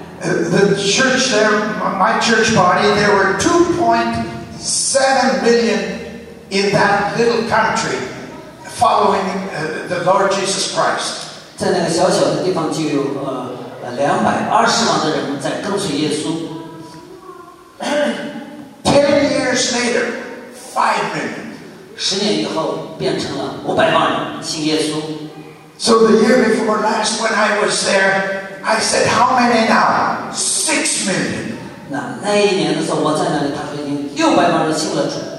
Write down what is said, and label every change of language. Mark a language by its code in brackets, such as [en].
[en] The church there, my church body, there were 2.7 million in that little country following the Lord Jesus Christ. [zh] 在那个小小的地方就有220万的人在跟随耶稣。 [en] 10 years later, 5 million. [zh] 10年以后变成了500万人信耶稣。 [en] So the year before last, when I was there, I said, how many now? 6 million. [zh] 那一年的时候我在那里，他说已经600万人信了主。